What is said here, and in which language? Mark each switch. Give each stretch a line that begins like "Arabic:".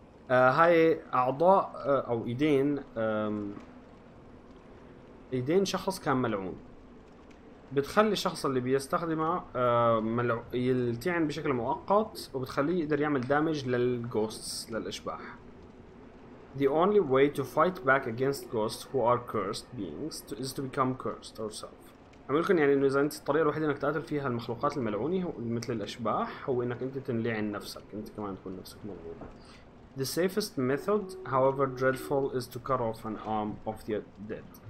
Arabic: هاي اعضاء او ايدين، ايدين شخص كان ملعون بتخلي الشخص اللي بيستخدمه يلتعن بشكل مؤقت وبتخليه يقدر يعمل دامج للغوستس للاشباح.
English: The only way to fight back against ghosts who are cursed beings is to become cursed yourself.
Arabic: عملكم يعني انه اذا انت الطريقه الوحيده انك تقاتل فيها المخلوقات الملعونه مثل الاشباح هو انك انت تلعن نفسك، انت كمان تكون نفسك ملعون.
English: The safest method, however dreadful, is to cut off an arm of the dead.